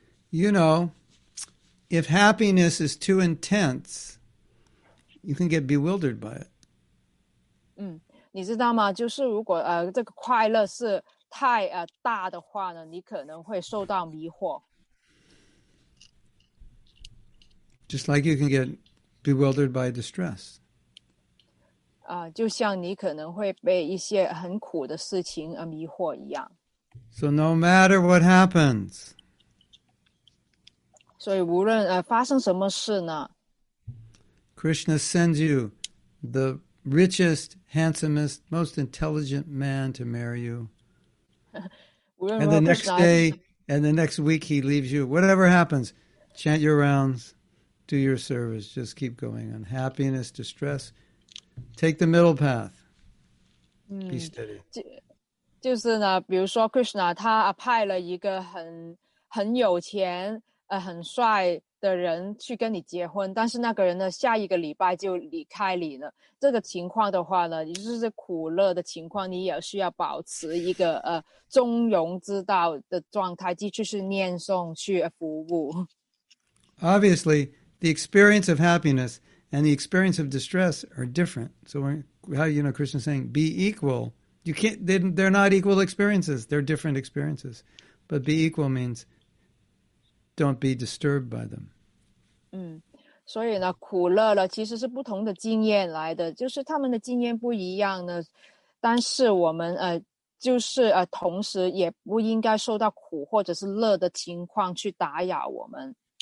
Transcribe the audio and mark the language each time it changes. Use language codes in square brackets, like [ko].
[en] You know, if happiness is too intense, you can get bewildered by it. [zh] 你知道吗？就是如果这个快乐是太大的话呢，你可能会受到迷惑。 [en] Just like you can get bewildered by distress. [zh] 就像你可能会被一些很苦的事情迷惑一样。 [en] So no matter what happens, [zh] 所以无论发生什么事呢 [en] Krishna sends you the richest, handsomest, most intelligent man to marry you. And the next day, and the next week he leaves you. Whatever happens, chant your rounds, do your service, just keep going. Unhappiness, distress, take the middle path. Be steady. [zh] 就是呢，比如说 Krishna 他派了一个很有钱很帅的人去跟你结婚，但是那个人呢下一个礼拜就离开你了。这个情况的话呢，就是苦乐的情况，你也需要保持一个中庸之道的状态，继续是念诵去服务。 [en] Obviously, the experience of happiness and the experience of distress are different. So how you know Krishna saying be equal? You can't. They're not equal experiences. They're different experiences. But be equal means don't be disturbed by them. [zh] 所以呢，苦乐呢其实是不同的经验来的，就是他们的经验不一样呢。但是我们就是同时也不应该受到苦或者是乐的情况去打扰我们。